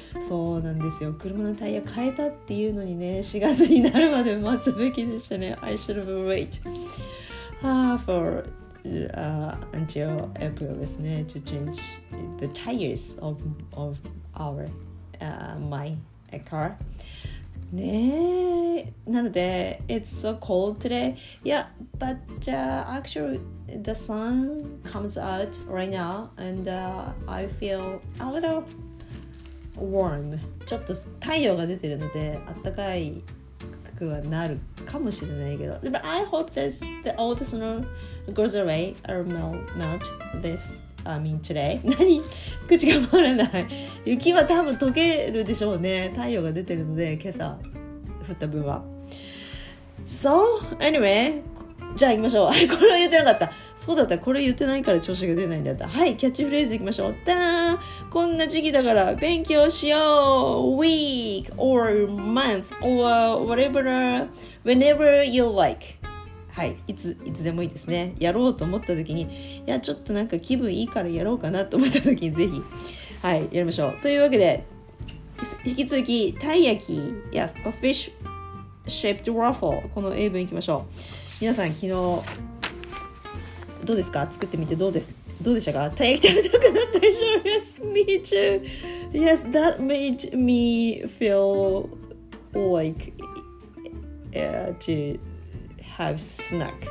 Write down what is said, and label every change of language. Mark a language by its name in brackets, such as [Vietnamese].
[Japanese] そうなんですよ、車のタイヤ変えたっていうのにね、4月になるまで待つべきでしたね。 [English] I should have waited for until April [Japanese] ですね [English] to change the tires of our my car。 [Japanese] ねえ、なので [English] It's so cold today. Yeah, but actually the sun comes out right now and I feel a little warm. [Japanese] ちょっと太陽が出てるので暖かいくはなるかもしれないけど。 [English] But I hope this the all the snow goes away or melt this today. [Japanese] 何?口が回らない。雪は多分溶けるでしょうね。太陽が出てるので、今朝降った分は。 [English] So, anyway, [Japanese] じゃあ行きましょう。これは言ってなかった。そうだった。これ言ってないから調子が出ないんだった。はい、キャッチフレーズ行きましょう。たーん!こんな時期だから勉強しよう !week, [English] or month, or whatever, whenever you like. [Japanese] はい、いつでもいいですね。やろうと思った時に、いやちょっとなんか気分いいからやろうかなと思った時にぜひ、はい、やりましょう。というわけで引き続きたい焼き、 [English] Yes, a fish shaped waffle、 [Japanese] この英文いきましょう。皆さん昨日どうですか、作ってみてどうでしたか。たい焼き食べたくなったでしょう。 [English] Yes, me too. Yes, that made me feel like to have snack.